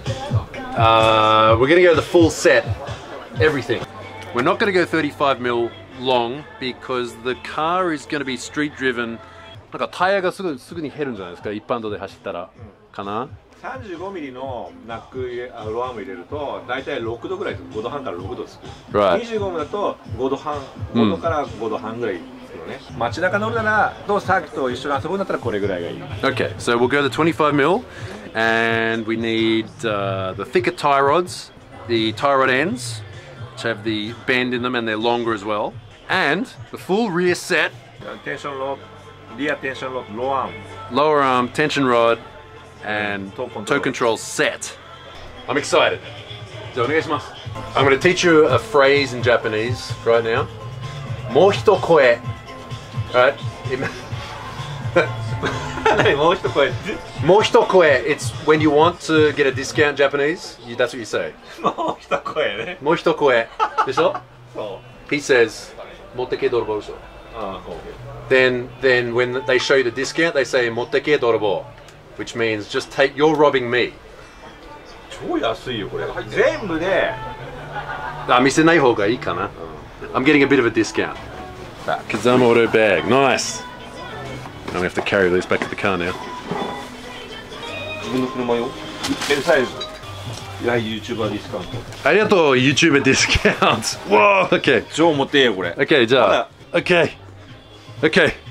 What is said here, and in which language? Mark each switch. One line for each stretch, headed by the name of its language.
English: We're going to go the full set, everything. We're not going to go 35 mil long because the car is going to be street driven.
Japanese: なんかタイヤがすぐに減るんじゃないですか、一般道で走ったら、うん、かな。 35ミリのナックロアーム入れると大体6度ぐらいです。 5度半から6度つく、
English: right.
Japanese: 25ミリだと5度半、5度から5度半ぐらいつくのね、うん、街中乗るならとサーキット一緒に遊ぶんだったらこれぐらいがいい。
English: OK, so we'll go to 25 mil and we need、the thicker tie rods, the tie rod ends to have the bend in them and they're longer as well, and the full rear set tension rod, rear tension rod, low arm, lower arm tension rod and toe control set. I'm excited.
Japanese: じゃあお願いします。
English: I'm going to teach you a phrase in Japanese right now.
Japanese: もう一声。
English: All right.
Japanese: 何もう一声。もう一声。
English: It's when you want to get a discount in Japanese. That's what you say.
Japanese: もう一声ね。もう一声。でしょ？そう。
English: He says,
Japanese: 持ってけ泥棒でしょ。ああ、
English: OK。 Then when they show you the discount, they say,
Japanese: 持ってけ泥棒。
English: Which means just take, you're robbing me.
Japanese: 超安いよこれ。全部で。あ、見せない方がいいかな。
English: I'm getting a bit of a discount. Kazama Auto bag, nice. I'm gonna have to carry these back to the car now.
Japanese: 自分の車よ。 L サイズ。やはり YouTuber ディスカウント。ありがとう、YouTuber ディスカウント。わー、OK。超持てえよこれ。
English: OK、じゃあ。OK。 OK。